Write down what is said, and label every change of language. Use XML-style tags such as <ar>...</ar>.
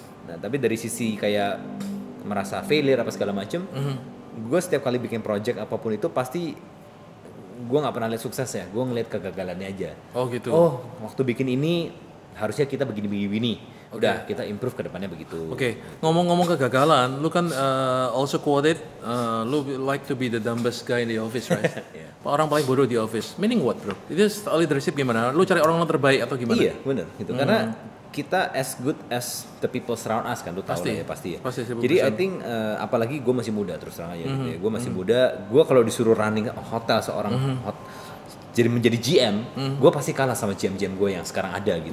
<id>Nah, tapi dari sisi kayak merasa failure apa segala macam, gue setiap kali bikin project apapun itu pasti gue nggak pernah lihat sukses ya, gue ngelihat kegagalannya aja. Oh gitu. Oh, waktu bikin ini harusnya kita begini-begini. Udah, kita improve ke depannya begitu. Oke. Ngomong-ngomong kegagalan, lu kan</id> <en>also quoted,</en> <id>lu</id> <en>like to be the dumbest guy in the office, right?</en> <id>Orang paling bodoh di office.</id> <en>Meaning what, bro?</en> <id>Itu leadership gimana? Lu cari orang yang terbaik atau gimana? Iya, benar. Itu karena kita</id> <en>as good as the people around us</en> <id>kan, lu tahu lah ya pasti ya. Pasti, jadi</id> <en>I think</en> <id>apalagi gue masih muda terus terang aja gitu ya. Gue masih muda, gue kalau disuruh running hotel seorang jadi menjadi GM, gue pasti kalah sama GM-GM gue yang sekarang ada gitu.</id>